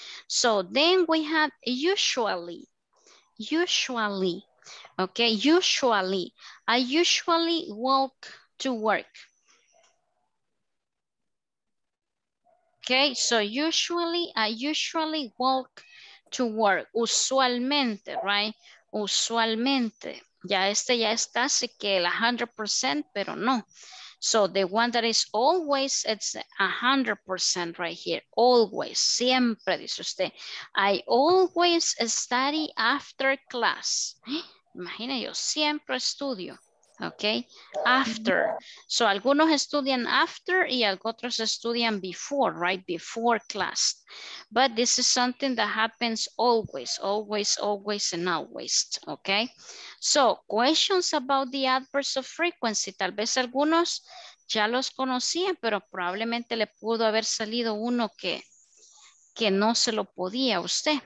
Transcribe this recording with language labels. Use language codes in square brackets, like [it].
[en] So then we have usually, usually, ok, usually, I usually walk to work. Ok, so usually, I usually walk to work, usualmente, right? [es] Usualmente, ya este ya está, así que el 100%, pero no. [en] So the one that is always, it's 100% right here. Always, [es] siempre, dice usted. [en] I always study after class. [es] Imagina, yo siempre estudio, ok. After, so algunos estudian after y otros estudian before, right, before class. [en] But this is something that happens always, always, always, and always, okay? So, questions about the adverbs of frequency. [es] Tal vez algunos ya los conocían, pero probablemente le pudo haber salido uno que no se lo podía a usted.